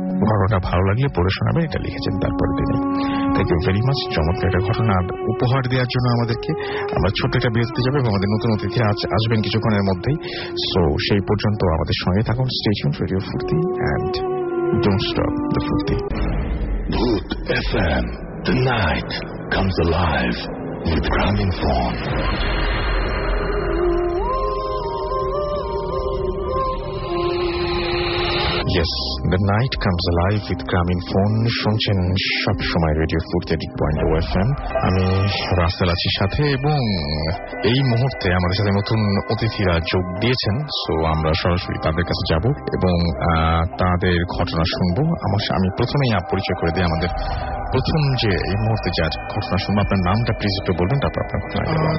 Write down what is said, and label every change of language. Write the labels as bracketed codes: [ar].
[bn] ঘটনা ভালো লাগলে পড়ে শোনাবে, এটা লিখেছেন তারপর তিনি। [en] thank you very much [bn] চমৎকার একটা ঘটনা উপহার দেওয়ার জন্য আমাদেরকে। আমরা ছোট একটা বিরতিতে যাবো এবং আমাদের নতুন অতিথি আসবেন কিছুক্ষণের মধ্যেই। সো সেই পর্যন্ত আমাদের সঙ্গে থাকুন, [en] Stay tuned radio Furti and don't stop the Furti. Bhoot FM, the night comes alive with Gramophone. Yes, the night comes alive with Gramophone. [bn] শুনছেন সব সময় রেডিও 48.0 FM। আমি রাসেল আছি সাথে এবং এই মুহূর্তে আমাদের সাথে নতুন অতিথিরা যোগ দিয়েছেন। সো আমরা সরাসরি তাদের কাছে যাব এবং তাদের ঘটনা শুনবো। আমি প্রথমেই পরিচয় করে দিই আমাদের প্রথম যে এই মুহূর্তে যে ঘটনা শুনবো, আপনার নামটা প্লিজ একটু বলুন, তারপর আপনার ঘটনা।